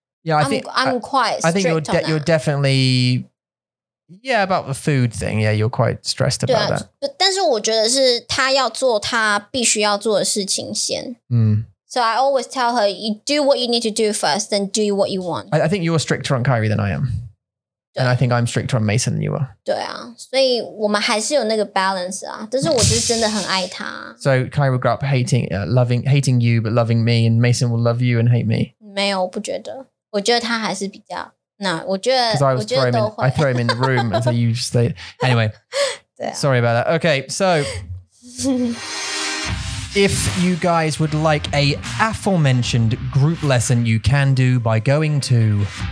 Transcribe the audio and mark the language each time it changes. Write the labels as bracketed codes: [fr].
[en] Yeah, I think you're definitely, yeah, about the food thing. Yeah, you're quite stressed about that. [zh] 对啊，但是我觉得是他要做他必须要做的事情先。 [en] So I always tell her, you do what you need to do first, then do what you want. I think you're stricter on Kyrie than I am. And I think I'm stricter on Mason than you are. [zh] 对啊，所以我们还是有那个balance啊，但是我就是真的很爱他。 [en] So Kyrie will grow up hating you, but loving me, and Mason will love you and hate me. [zh] 没有，我不觉得。我觉得他还是比较，那我觉得，因为I [en] throw him in the room, and so you stay. Anyway, sorry about that. Okay, so if you guys would like a aforementioned group lesson, you can do by going to